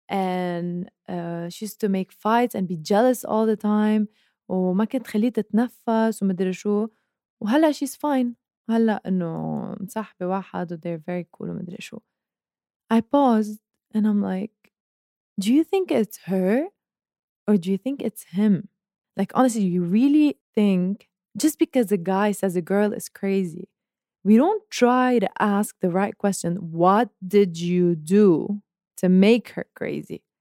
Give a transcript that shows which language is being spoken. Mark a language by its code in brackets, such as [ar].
[en] And she used to make fights and be jealous all the time. [ar] وما كنت خليت تتنفس وما أدري شو. وهلا [en] she's fine. [ar] هلا مصاحبة واحد [en] and they're very cool [ar] وما أدري شو. [en] I paused and I'm like, do you think it's her or do you think it's him? Like honestly, you really think just because a guy says a girl is crazy, We don't try to ask the right question. What did you do to make her crazy?